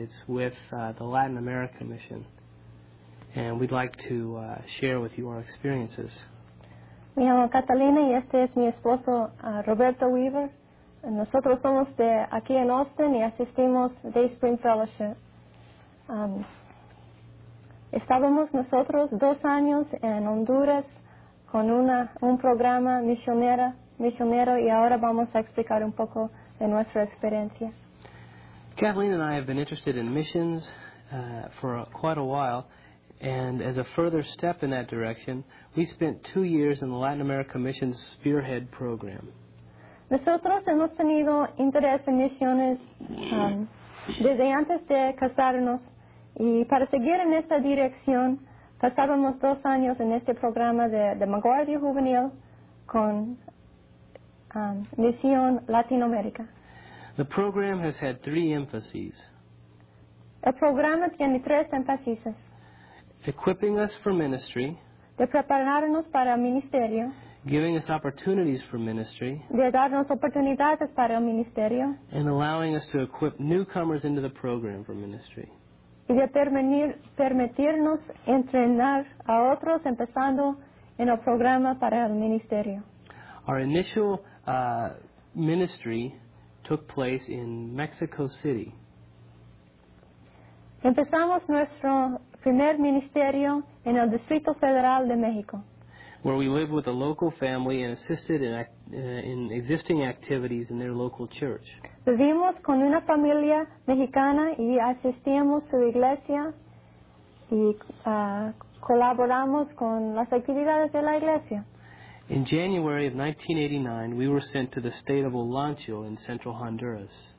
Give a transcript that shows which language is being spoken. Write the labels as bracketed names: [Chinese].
[English] It's with the Latin America Mission, and we'd like to share with you our experiences. [Spanish] Mi nombre es Catalina y este es mi esposo Roberto Weaver. Nosotros somos de aquí en Austin y asistimos Day Spring Fellowship. Estábamos nosotros 2 años en Honduras con un programa misionero y ahora vamos a explicar un poco de nuestra experiencia. [English] Kathleen and I have been interested in missions for quite a while, and as a further step in that direction, we spent 2 years in the Latin America Missions Spearhead program. [Spanish] Nosotros hemos tenido interés en misiones desde antes de casarnos. Y para seguir en esta dirección, pasábamos 2 años en este programa de Demaguardia Juvenil con Misión Latinoamérica. [English] The program has had 3 emphases. [Spanish] El programa tiene 3 énfasis. [English] Equipping us for ministry. [Spanish] De prepararnos para el ministerio. [English] Giving us opportunities for ministry. [Spanish] De darnos oportunidades para el ministerio. [English] And allowing us to equip newcomers into the program for ministry. [Spanish] Y de permitirnos entrenar a otros empezando en el programa para el ministerio. [English] Our initial ministry took place in Mexico City. [Spanish] Empezamos nuestro primer ministerio en el Distrito Federal de México. [English] Where we lived with a local family and assisted in existing activities in their local church. [Spanish] Vivimos con una familia mexicana y asistimos su iglesia y colaboramos con las actividades de la iglesia. [English] In January of 1989, we were sent to the state of Olancho in central Honduras.